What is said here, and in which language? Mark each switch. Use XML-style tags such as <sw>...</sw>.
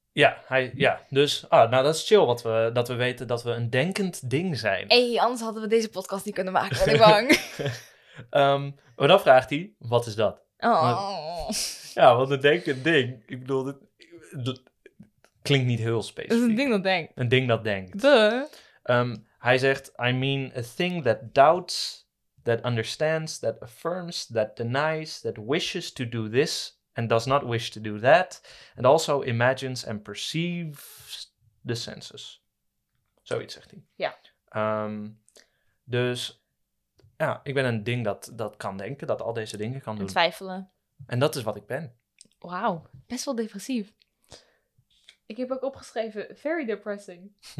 <nl>Ja, dus dat is chill dat we weten dat we een denkend ding zijn. Hé, anders hadden we deze podcast niet kunnen maken, ben ik bang. maar dan vraagt hij, wat is dat? Oh. Ja, want een denkend ding, ik bedoel, dat klinkt niet heel specifiek. Het is een ding dat denkt. Een ding dat denkt. Duh. Hij zegt,</nl> <en>I mean a thing that doubts, that understands, that affirms, that denies, that wishes to do this, and does not wish to do that, and also imagines and perceives the senses.</en> <nl>Zoiets zegt hij. Ja. Dus, ja, ik ben een ding dat kan denken, dat al deze dingen kan doen. En twijfelen. En dat is wat ik ben. Wauw, best wel depressief. Ik heb ook opgeschreven,</nl> <en>very depressing.</en>